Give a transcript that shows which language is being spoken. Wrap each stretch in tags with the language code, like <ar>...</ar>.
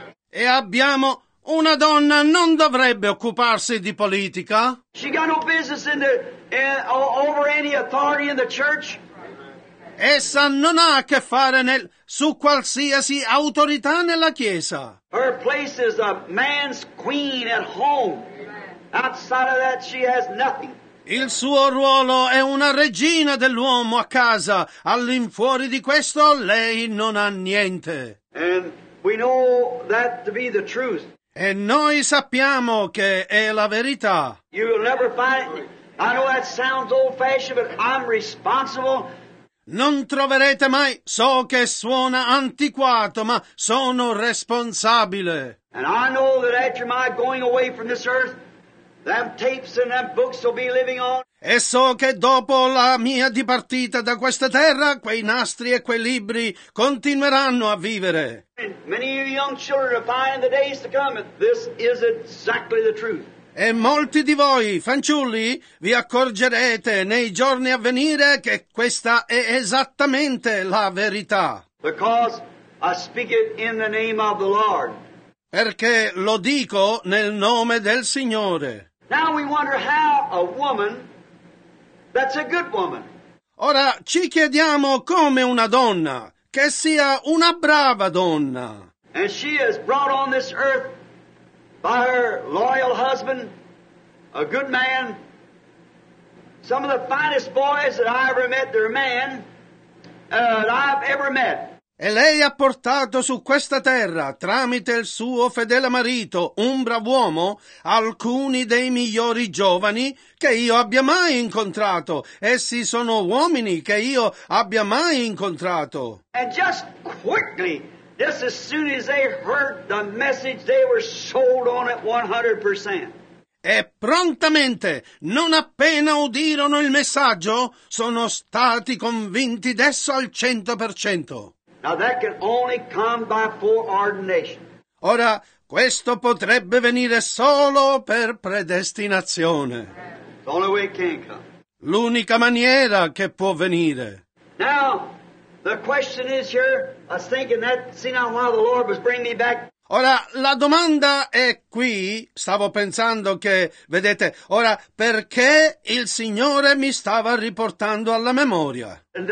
<it>E abbiamo una donna non dovrebbe occuparsi di politica.</it> <en>She got no business in the over any authority in the church.</en> <it>Essa non ha a che fare nel, su qualsiasi autorità nella Chiesa.</it> <en>Her place is a man's queen at home. Outside of that she has nothing.</en> <it>Il suo ruolo è una regina dell'uomo a casa. All'infuori di questo lei non ha niente.</it> <en>And we know that to be the truth.</en> <it>E noi sappiamo che è la verità.</it> <en>You will never find, I know that sounds old fashioned, but I'm responsible.</en> <it>Non troverete mai, so che suona antiquato, ma sono responsabile.</it> <en>And I know that after my going away from this earth, them tapes and them books will be living on.</en> <it>E so che dopo la mia dipartita da questa terra, quei nastri e quei libri continueranno a vivere.</it> <en>And many of you young children are finding the days to come, and this is exactly the truth.</en> <it>E molti di voi, fanciulli, vi accorgerete nei giorni a venire che questa è esattamente la verità.</it> <en>Because I speak it in the name of the Lord.</en> <it>Perché lo dico nel nome del Signore.</it> <en>Now we wonder how a woman that's a good woman.</en> <it>Ora ci chiediamo come una donna che sia una brava donna.</it> <en>And she is brought on this earth by her loyal husband, a good man, some of the finest boys that I ever met, their man, that I've ever met.</en> <it>E lei ha portato su questa terra, tramite il suo fedele marito, un bravo uomo, alcuni dei migliori giovani che io abbia mai incontrato. Essi sono uomini che io abbia mai incontrato.</it> <en>And just quickly, just as soon as they heard the message, they were sold on it 100%.</en> <it>E prontamente, non appena udirono il messaggio, sono stati convinti d'esso al 100%.</it> <en>Now that can only come by foreordination.</en> <it>Ora, questo potrebbe venire solo per predestinazione.</it> <en>The only way it can come.</en> <it>L'unica maniera che può venire.</it> <en>Now, the question is here, I was thinking that, see now why the Lord was bringing me back.</en> <it>Ora, la domanda è qui, stavo pensando che, vedete, ora, perché il Signore mi stava riportando alla memoria?</it>